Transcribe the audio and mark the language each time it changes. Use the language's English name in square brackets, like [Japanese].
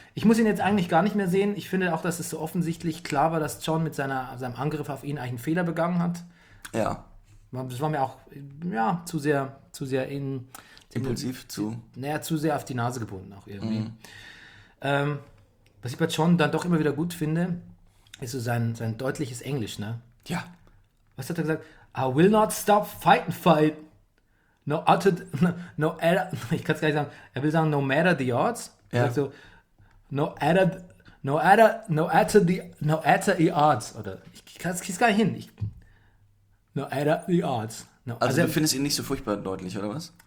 [German] Ich muss ihn jetzt eigentlich gar nicht mehr sehen. Ich finde auch, dass es so offensichtlich klar war, dass Jon mit seinem Angriff auf ihn eigentlich einen Fehler begangen hat. Ja. Das war mir auch zu sehr in... Impulsiv den, zu... Naja, zu sehr auf die Nase gebunden auch irgendwie. Mhm. Was ich bei Jon dann doch immer wieder gut finde, ist so sein deutliches Englisch, ne? Ja. Was hat er gesagt? [English] I will not stop fighting fight. [German] No, ich kann es gar nicht sagen. Er will sagen, [English] no matter the odds. [German] Ja. Also, [English] no matter the odds. [German] Oder ich kann es gar nicht hin. [English] No matter the odds. No, [German] also du findest ihn nicht so furchtbar deutlich, oder was?